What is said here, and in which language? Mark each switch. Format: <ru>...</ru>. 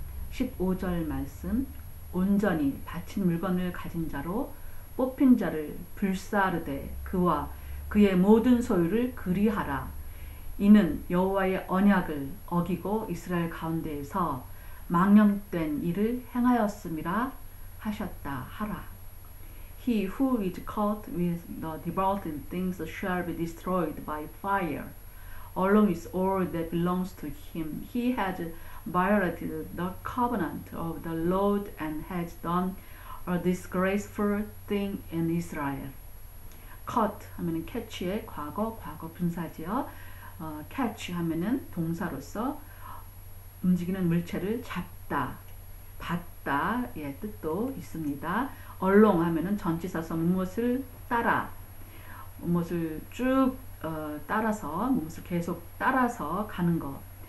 <ko>15절 말씀 온전히 바친 물건을 가진 자로 뽑힌 자를 불사르되 그와 그의 모든 소유를 그리하라. 이는 여호와의 언약을 어기고 이스라엘 가운데에서 망령된 일을 행하였음이라 하셨다 하라.</ko> <en>He who is caught with the devoted things shall be destroyed by fire, along with all that belongs to him. He has violated the covenant of the Lord and has done a disgraceful thing in Israel.</en> <ko>Caught 하면은 catch의 과거 분사지요. Catch 하면은 동사로서 움직이는 물체를 잡다, 받다의 뜻도 있습니다. Along 하면은 전치사서 무엇을 따라, 무엇을 쭉 따라서, 무엇을 계속 따라서 가는 것.</ko>